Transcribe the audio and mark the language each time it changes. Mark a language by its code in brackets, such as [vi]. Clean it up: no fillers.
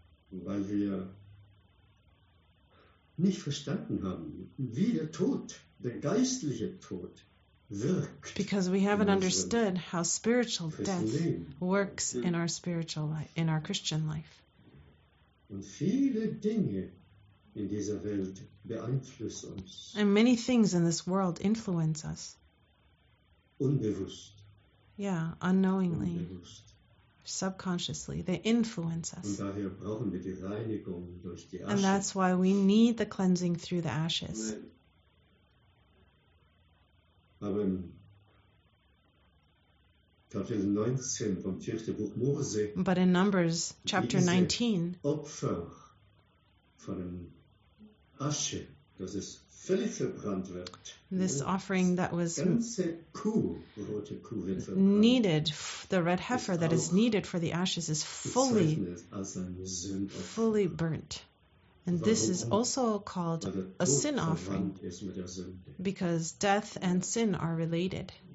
[de] Weil wir nicht verstanden haben, wie der Tod, der geistliche Tod, wirkt. [en] Because we haven't understood how spiritual death works in our spiritual life, in our Christian life. [de] Und viele Dinge in dieser Welt beeinflusst uns. [en] And many things in this world influence us. [de] Unbewusst. [en] Yeah, unknowingly. [de] Unbewusst. [en] Subconsciously, they influence us. [de] Und daher brauchen wir die Reinigung durch die Asche. [en] And that's why we need the cleansing through the ashes. [de] Aber im Kapitel 19 vom 4. Buch Mose. [en] But in Numbers chapter 19. [de] Opfer von Asche, das ist völlig verbrannt wird. [en] This offering that was [de] ganze Kuh, rote Kuh wird verbrannt. [en] Needed, the red heifer that is needed for the ashes is fully, fully burnt. And this is also called a sin offering because death and sin are related.